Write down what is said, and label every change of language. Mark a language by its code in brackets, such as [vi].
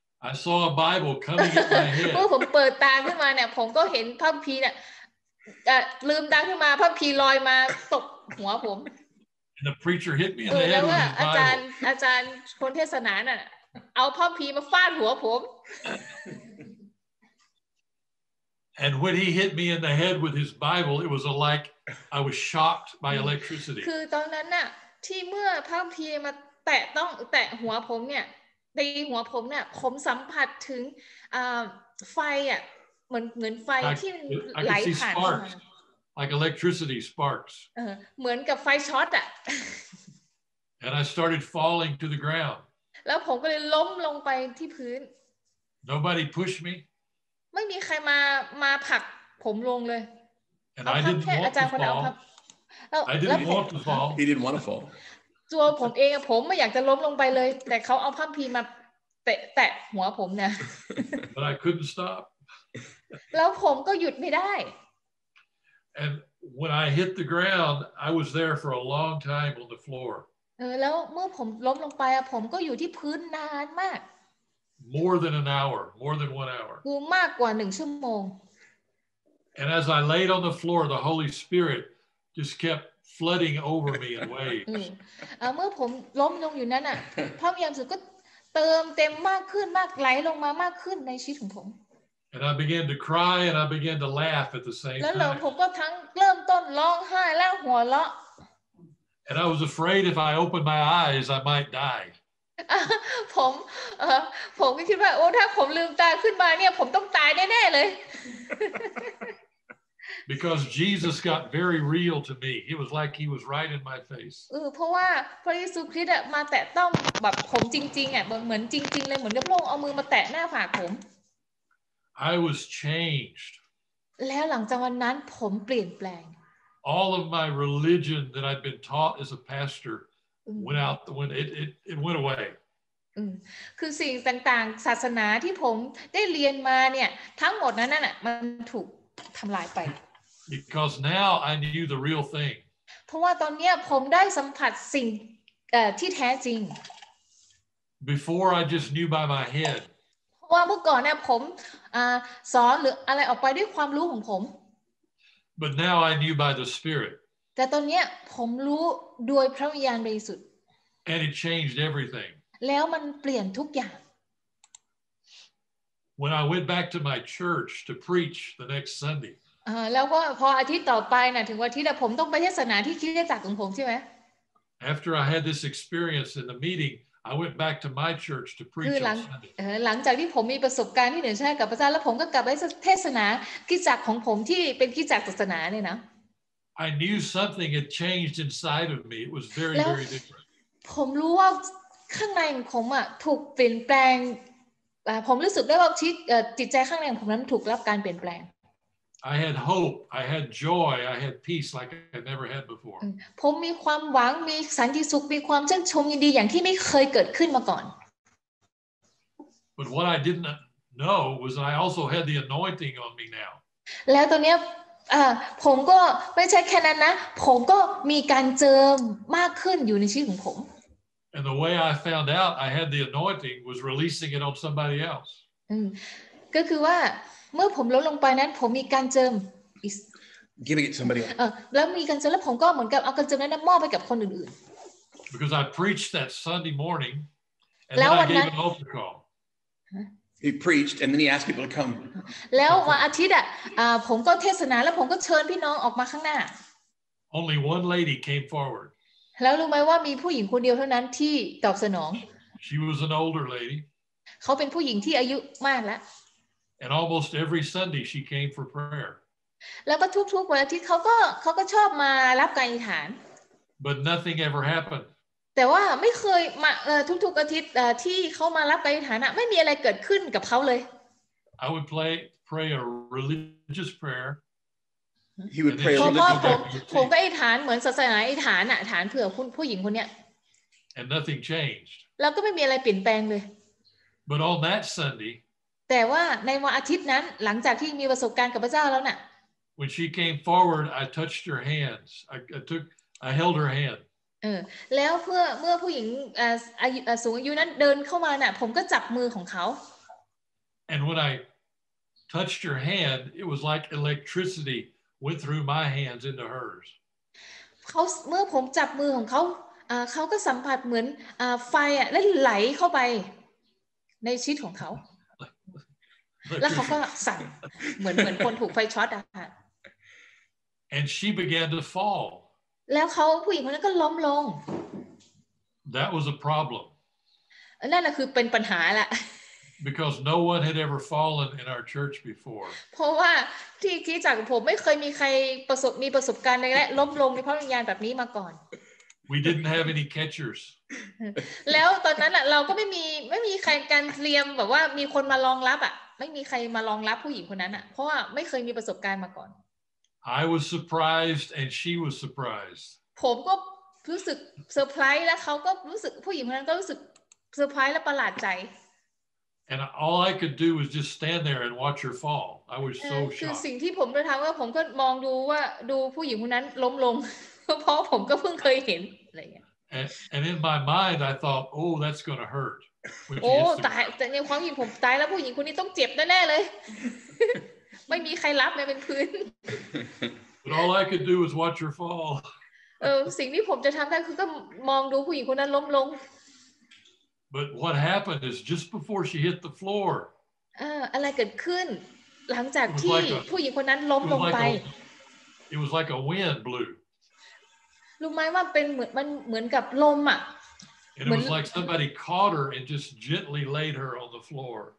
[en] I saw a Bible coming at my head. [th] พอผมเปิดตาขึ้นมาเนี่ยผมก็เห็นพระคัมภีร์เนี่ยลืมตาขึ้นมาพระคัมภีร์ลอยมาตกหัวผม [en] And the preacher hit me in the head with his Bible. [th] อาจารย์คนเทศนาน่ะเอาพระคัมภีร์มาฟาดหัวผม [en] And when he hit me in the head with his Bible, it was like I was shocked by electricity. [th] คือตอนนั้นน่ะที่เมื่อพระคัมภีร์มาแตะต้องแตะหัวผมเนี่ยตีหัวผมเนี่ยผมสัมผัสถึงไฟอ่ะเหมือนไฟที่ไหลผ่าน [en] Like electricity sparks. [th] เหมือนกับไฟช็อตอ่ะ [en] And I started falling to the ground. [th] แล้วผมก็เลยล้มลงไปที่พื้น [en] Nobody pushed me. [th] ไม่มีใครมาผลักผมลงเลย [en] And I didn't want to fall. I didn't want to fall. He didn't want to fall. [th] ตัวผมเองผมไม่อยากจะล้มลงไปเลยแต่เขาเอาผ้าพีมาแตะหัวผมนะ [en] But I couldn't stop. [th] แล้วผมก็หยุดไม่ได้ [en] And when I hit the ground, I was there for a long time on the floor. [th] แล้วเมื่อผมล้มลงไปอ่ะผมก็อยู่ที่พื้นนานมาก [en] More than an hour, more than 1 hour. [th] คือมากกว่า1ชั่วโมง [en] And as I laid on the floor, the Holy Spirit just kept flooding over me in waves. [th] เมื่อผมล้มลงอยู่นั้นอ่ะพระวิญญาณสุดก็เติมเต็มมากขึ้นมากไหลลงมามากขึ้นในชีวิตของผม [en] And I began to cry and I began to laugh at the same time. [th] แล้วผมก็ทั้งเริ่มต้นร้องไห้และหัวเราะ [en] And I was afraid if I opened my eyes I might die. [th] ผมก็คิดว่าโอ้ถ้าผมลืมตาขึ้นมาเนี่ยผมต้องตายแน่ๆเลย [en] Because Jesus got very real to me. It was like he was right in my face. [th] เพราะว่าพระเยซูคริสต์มาแตะต้องแบบผมจริงๆอ่ะเหมือนจริงๆเลยเหมือนกับพระองค์เอามือมาแตะหน้าผากผม [en] I was changed. [th] แล้วหลังจากวันนั้นผมเปลี่ยนแปลง [en] All of my religion that I'd been taught as a pastor went out the window. It went away. [th] คือสิ่งต่างๆศาสนาที่ผมได้เรียนมาเนี่ยทั้งหมดนั้นน่ะมันถูกทําลายไป [en] Because now I knew the real thing. [th] เพราะว่าตอนเนี้ยผมได้สัมผัสสิ่งที่แท้จริง [en] Before I just knew by my head. [th] ว่าเมื่อก่อนเนี่ยผมสอนหรืออะไรออกไปด้วยความรู้ของผม [en] But now I knew by the Spirit. [th] แต่ตอนเนี้ยผมรู้ด้วยพระวิญญาณบริสุทธิ์ [en] And it changed everything. [th] แล้วมันเปลี่ยนทุกอย่าง [en] When I went back to my church to preach the next Sunday. [th] แล้วก็พออาทิตย์ต่อไปน่ะถึงวันอาทิตย์ผมต้องไปเทศนาที่คริสตจักรของผมใช่ไหม [en] After I had this experience in the meeting. I went back to my church to preach on Sunday. [th] หลังจากที่ผมมีประสบการณ์ที่เหนือชั้นกับพระเจ้าแล้วผมก็กลับไปเทศนาคริสตจักรของผมที่เป็นคริสตจักรศาสนาเนี่ยนะ [en] I knew something had changed inside of me. It was very, very different. [th] ผมรู้ว่าข้างในของผมอ่ะถูกเปลี่ยนแปลงผมรู้สึกได้ว่าจิตใจข้างในของผมนั้นถูกรับการเปลี่ยนแปลง [en] I had hope. I had joy. I had peace like I had never had before. [th] ผมมีความหวังมีสันติสุขมีความชื่นชมยินดีอย่างที่ไม่เคยเกิดขึ้นมาก่อน [en] But what I didn't know was I also had the anointing on me now. [th] แล้วตอนนี้ผมก็ไม่ใช่แค่นั้นนะผมก็มีการเจิมมากขึ้นอยู่ในชีวิตของผม [en] And the way I found out I had the anointing was releasing it on somebody else. [th] ก็คือว่าเมื่อผมล้มลงไปนั้นผมมีการเจิม [en] giving it somebody else [th] แล้วมีการเจิมแล้วผมก็เหมือนกับเอาการเจิมนั้นมอบไปกับคนอื่น [en] ๆ because I preached that Sunday morning and then I gave an altar call he preached and then he asked people to come [th] แล้ววันอาทิตย์อ่ะผมก็เทศนาแล้วผมก็เชิญพี่น้องออกมาข้างหน้า [en] only one lady came forward [th] แล้วรู้ไหมว่ามีผู้หญิงคนเดียวเท่านั้นที่ตอบสนอง [en] she was an older lady [th] เขาเป็นผู้หญิงที่อายุมากแล้ว [en] And almost every Sunday she came for prayer. [th] แล้วก็ทุกๆวันอาทิตย์เขาก็ชอบมารับการอธิษฐาน [en] But nothing ever happened. [th] แต่ว่าไม่เคยมาทุกๆอาทิตย์ที่เขามารับการอธิษฐานอ่ะไม่มีอะไรเกิดขึ้นกับเขาเลย [en] I would pray a religious prayer. He would pray a religious prayer. [th] ผมก็อธิษฐานเหมือนศาสนาอธิษฐานอ่ะฐานเผื่อผู้หญิงคนเนี้ย [en] And nothing changed. [th] แล้วก็ไม่มีอะไรเปลี่ยนแปลงเลย [en] But on that Sunday. [th] แต่ว่าในวันอาทิตย์นั้นหลังจากที่มีประสบการณ์กับพระเจ้าแล้วน่ะ [en] When she came forward I touched her hands I held her hand [th] แล้วเมื่อผู้หญิงสูงอายุนั้นเดินเข้ามาน่ะผมก็จับมือของเขา [en] And when I touched her hand it was like electricity went through my hands into hers [th] เมื่อผมจับมือของเขาเขาก็สัมผัสเหมือนไฟอ่ะแล้วไหลเข้าไปในชีวิตของเขาแล้วเขาก็สั่นเหมือนคนถูกไฟช็อตอะค่ะ [en] And she began to fall [th] แล้วเขาผู้หญิงคนนั้นก็ล้มลง [en] That was a problem [th] นั่นน่ะคือเป็นปัญหาละ [en] Because no one had ever fallen in our church before [th] เพราะว่าที่จากผมไม่เคยมีใครมีประสบการณ์ในและล้มลงในพระวิญญาณแบบนี้มาก่อน [en] We didn't have any catchers [th] แล้วตอนนั้นน่ะเราก็ไม่มีใครการเตรียมแบบว่ามีคนมารองรับอะไม่มีใครมารองรับผู้หญิงคนนั้นน่ะเพราะว่าไม่เคยมีประสบการณ์มาก่อน [en] I was surprised and she was surprised [th] ผมก็รู้สึกเซอร์ไพรส์แล้วเขาก็รู้สึกผู้หญิงคนนั้นก็รู้สึกเซอร์ไพรส์และประหลาดใจ [en] And all I could do was just stand there and watch her fall I was so shocked [th] คือสิ่งที่ผมได้ทําก็ผมก็มองดูว่าดูผู้หญิงคนนั้นล้มลงเพราะผมก็เพิ่งเคยเห็นอะไรอย่างเงี้ย [en] And in my mind I thought oh that's going to hurt [th] โอ้ตายแต่ในความคิดผมตายแล้วผู้หญิงคนนี้ต้องเจ็บแน่ๆเลยไม่มีใครรับแม้เป็นพื้น [en] But all I could do was watch her fall [th] สิ่งที่ผมจะทำได้คือก็มองดูผู้หญิงคนนั้นล้มลง [en] But what happened is just before she hit the floor [th] อะไรเกิดขึ้นหลังจากที่ผู้หญิงคนนั้นล้มลงไป [en] It was like a wind blew [th] รู้ไหมว่าเป็นเหมือนกับลมอ่ะ [en] And it was like somebody caught her and just gently laid her on the floor.